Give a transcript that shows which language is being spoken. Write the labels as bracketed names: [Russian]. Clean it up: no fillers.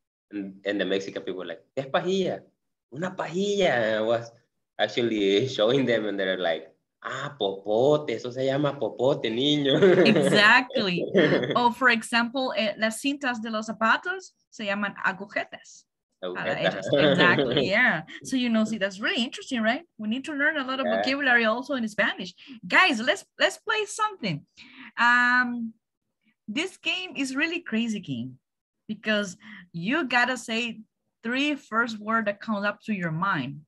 [English] And the Mexican people were like, [Spanish] ¿qué es pajilla? Una pajilla. [English] And I was actually showing them, and they're like, [Spanish] popote, eso se llama popote, niño. [English] Exactly. Oh, for example, [Spanish] las cintas de los zapatos se llaman agujetas. [English] Exactly, yeah. So you know, see, that's really interesting, right? We need to learn a lot of vocabulary also in Spanish. Guys, let's play something. This game is really crazy game because you gotta say three first words that comes up to your mind.